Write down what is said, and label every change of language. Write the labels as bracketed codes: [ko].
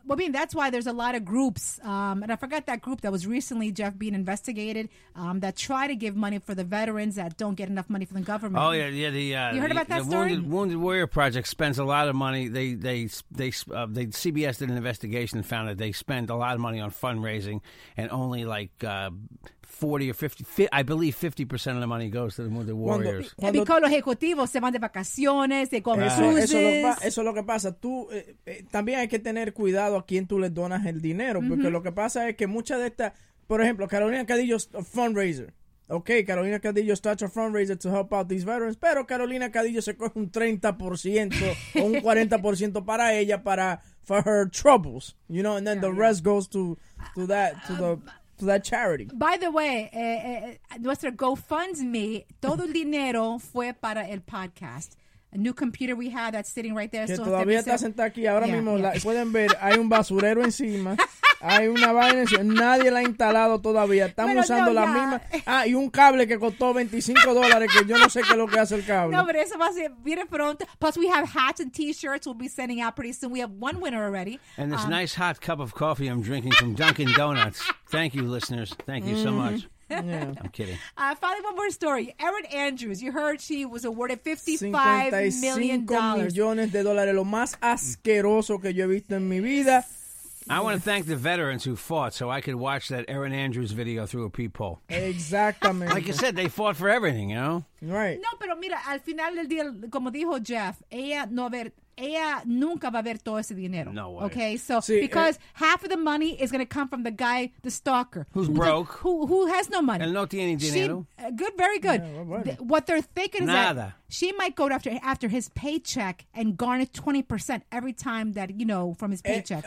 [en] Well, I mean, that's why there's a lot of groups. And I forgot that group that was recently, Jeff, being investigated, that try to give money for the veterans that don't get enough money from the government. Oh, yeah. Yeah. You heard about that story? Wounded Warrior Project spends a lot of money. CBS did an investigation and found that they spend a lot of money on fundraising and only like 50% of the money goes to the Wounded Warriors. [es] Cuando los ejecutivos se van de vacaciones, se comen cruces. Eso es lo que pasa. También hay que tener cuidado a quién tú le donas el dinero, porque lo que pasa es que muchas de estas, por ejemplo, Carolina Cadillo es un fundraiser. [en] Okay, Carolina Cadillo starts a fundraiser to help out these veterans, [es] pero Carolina Cadillo se coge un 30% o un 40% para ella, [en] for her troubles, you know, and then the rest goes to that charity. By the way, [es] nuestro GoFundMe, todo el dinero fue para el podcast. [en] A new computer we have that's sitting right there. [es] Que so todavía está sentada aquí. Pueden ver, hay un basurero encima. Hay una vaina. Nadie la ha instalado todavía. Estamos usando la misma. Ah, y un cable que costó $25, que yo no sé qué es lo que hace el cable. No, pero eso va a ser bien pronto. [en] Plus, we have hats and t-shirts we'll be sending out pretty soon. We have one winner already. And this nice hot cup of coffee I'm drinking from Dunkin' Donuts. Thank you, listeners. Thank you so much. Yeah. I'm kidding. Finally, one more story. Erin Andrews, you heard she was awarded $55 million. [es] Millones de dólares, lo más asqueroso que yo he visto en mi vida. [en] I want to thank the veterans who fought so I could watch that Erin Andrews video through a peephole. Exactly. Like you said, they fought for everything, you know? Right. [es] No, pero mira, al final del día, como dijo Jeff, ella nunca va a ver todo ese dinero. [en] No way. Okay, so half of the money is going to come from the guy, the stalker. Who's broke. Who has no money. [es] El no tiene dinero. [en] Very good. What they're thinking is that she might go after his paycheck and garner 20% every time that, you know, from his paycheck.